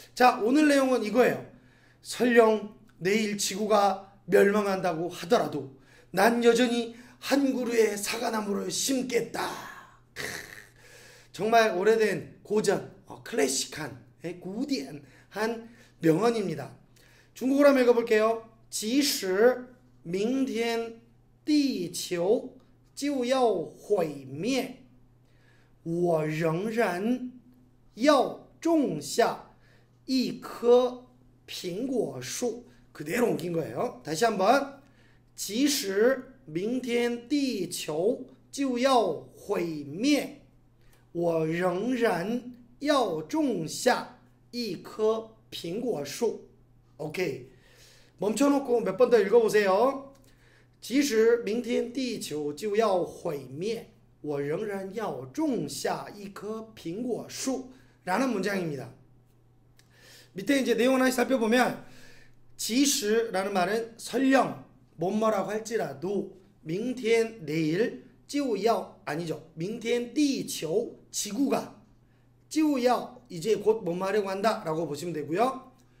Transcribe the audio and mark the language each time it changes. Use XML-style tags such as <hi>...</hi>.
<ko>자, 오늘 내용은 이거예요. 설령 내일 지구가 멸망한다고 하더라도 난 여전히 한 그루의 사과나무를 심겠다. 정말 오래된 고전, 클래식한, 고디한 한 명언입니다. 중국어로 한번 읽어볼게요.</ko> <zh>即使 明天 地球 就要毁灭 我仍然要种下一棵苹果树。</zh> <ko>그대로옮긴거예요。 다시한번，</ko> <zh>即使明天地球就要毁灭，我仍然要种下一棵苹果树。</zh> <ko>OK，멈춰놓고몇번더읽어보세요。</ko> <zh>即使明天地球就要毁灭。我仍然要种下一棵苹果树，</zh> <ko>라는 문장입니다.</ko> <zh>밑에 이제 내용 하나씩 살펴보면, 即使라는 말은 설령 뭐뭐라고 할지라도, 明天 내일 就要 아니죠. 明天 地球 지구가 就要 이제 곧 뭐뭐하려고 한다라고 보시면 되고요.</zh>